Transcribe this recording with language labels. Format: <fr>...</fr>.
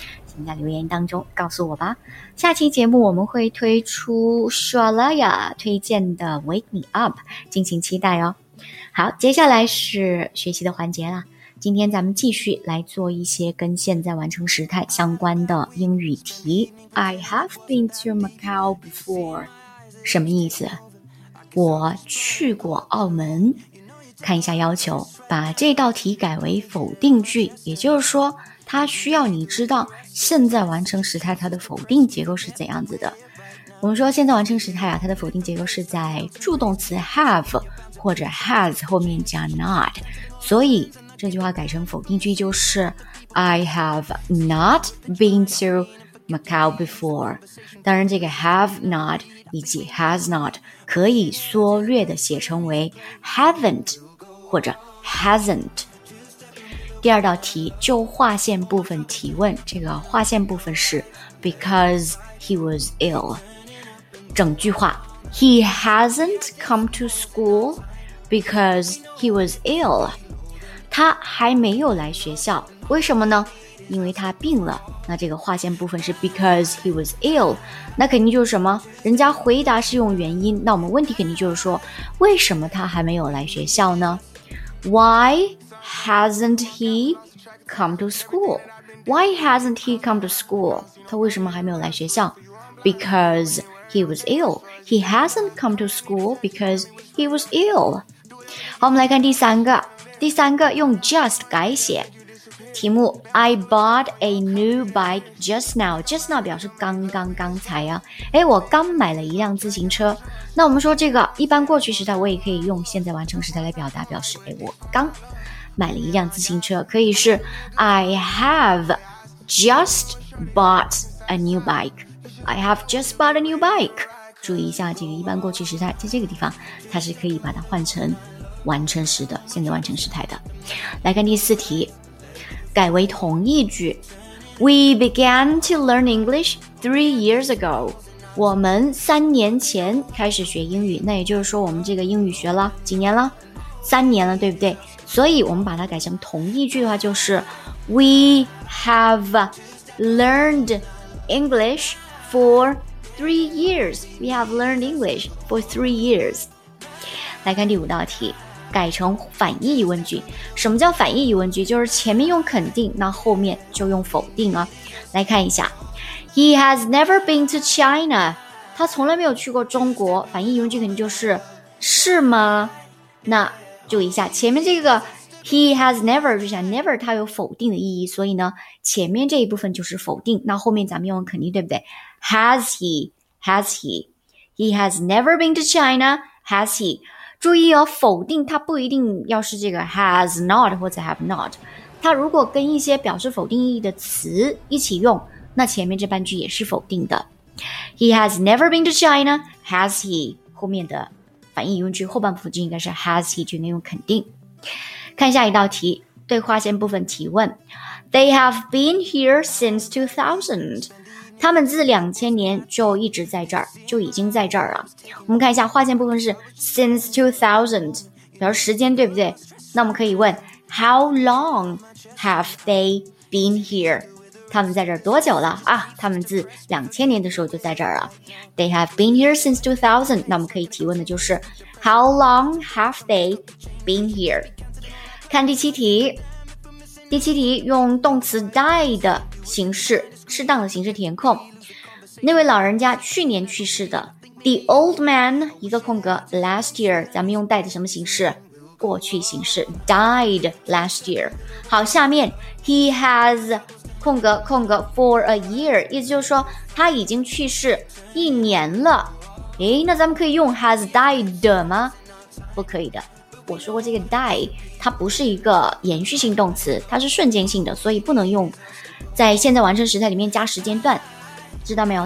<zh>请在留言当中告诉我吧。下期节目我们会推出 Shalaya 推荐的 Wake Me Up， 敬请期待哦。好，接下来是学习的环节了，今天咱们继续来做一些跟现在完成时态相关的英语题。</zh> <en>I have been to Macau before，</en> <zh>什么意思？我去过澳门。看一下要求，把这道题改为否定句，也就是说它需要你知道现在完成时态它的否定结构是怎样子的。我们说现在完成时态啊，它的否定结构是在助动词 have 或者 has 后面加 not， 所以这句话改成否定句就是</zh> <en>I have not been to Macau before。</en> <zh>当然这个 have not 以及 has not 可以缩略的写成为 haven't或者 hasn't。第二道题就划线部分提问，这个划线部分是</zh> <en>because he was ill。</en> <zh>整句话</zh> <en>he hasn't come to school because he was ill，</en> <zh>他还没有来学校，为什么呢？因为他病了。那这个划线部分是</zh> <en>because he was ill，</en> <zh>那肯定就是什么，人家回答是用原因，那我们问题肯定就是说为什么他还没有来学校呢？</zh> <en>Why hasn't he come to school? Why hasn't he come to school?</en> <zh>他为什么还没有来学校？</zh> <en>Because he was ill. He hasn't come to school because he was ill.</en> <zh>好，我们来看第三个，第三个用 just 改写题目，</zh> <en>I bought a new bike just now.</en> <zh>Just now 表示刚刚刚才啊，诶，我刚买了一辆自行车。那我们说这个一般过去时态，我也可以用现在完成时态来表达，表示诶，我刚买了一辆自行车，可以是</zh> <en>I have just bought a new bike. I have just bought a new bike.</en> <zh>注意一下这个一般过去时态，在这个地方它是可以把它换成完成时的现在完成时态的。来看第四题，改为同义句。</zh> <en>We began to learn English 3 years ago.</en> <zh>我们三年前开始学英语，那也就是说我们这个英语学了几年了？三年了，对不对？所以我们把它改成同义句的话就是</zh> <en>We have learned English for 3 years. We have learned English for 3 years.</en> <zh>来看第五道题，改成反义疑问句。什么叫反义疑问句？就是前面用肯定，那后面就用否定啊。来看一下，</zh> <en>He has never been to China.</en> <zh>他从来没有去过中国。反义疑问句肯定就是，是吗？那注意一下，前面这个</zh> <en>He has never，</en> <zh>就像 never 它有否定的意义，所以呢前面这一部分就是否定，那后面咱们用肯定，对不对？</zh> <en>Has he? Has he? He has never been to China. Has he?</en> <zh>注意哦，否定它不一定要是这个 has not 或者 have not， 它如果跟一些表示否定意义的词一起用，那前面这半句也是否定的。</zh> <en>He has never been to China. Has he?</en> <zh>后面的反义疑问句后半部分就应该是</zh> <en>has he，</en> <zh>就应该用肯定。看下一道题，对划线部分提问。</zh> <en>They have been here since 2000.</en> <zh>他们自2000年就一直在这儿，就已经在这儿了。我们看一下划线部分是</zh> <en>since 2000，</en> <zh>表示时间，对不对？那我们可以问</zh> <en>how long have they been here？</en> <zh>他们在这儿多久了啊？他们自2000年的时候就在这儿了。</zh> <en>They have been here since 2000.</en> <zh>那我们可以提问的就是</zh> <en>How long have they been here?</en> <zh>看第七题，第七题用动词 die 的形式，适当的形式填空。那位老人家去年去世的。</zh> <en>The old man</en> <zh>一个空格</zh> <en>last year，</en> <zh>咱们用 die 的什么形式？过去形式</zh> <en>died last year。</en> <zh>好，下面</zh> <en>He has</en> <zh>空格空格</zh> <en>for a year，</en> <zh>意思就是说他已经去世一年了。诶，那咱们可以用</zh> <en>has died</en> <zh>吗？不可以的。我说过这个 die 它不是一个延续性动词，它是瞬间性的，所以不能用在现在完成时态里面加时间段，知道没有？</zh>